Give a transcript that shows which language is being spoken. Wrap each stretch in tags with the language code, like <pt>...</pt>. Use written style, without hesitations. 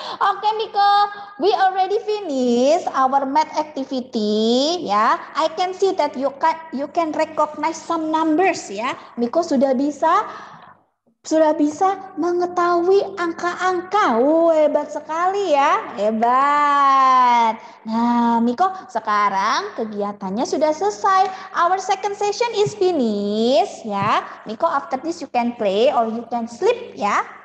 <en>Oke, okay, Miko, we already finish our math activity. Ya, yeah. I can see that you can recognize some numbers. Ya, yeah.</en> <id>Miko sudah bisa mengetahui angka-angka. Hebat sekali ya, hebat. Nah, Miko, sekarang kegiatannya sudah selesai.</id> <en>Our second session is finished ya. Miko, after this you can play or you can sleep ya.</en>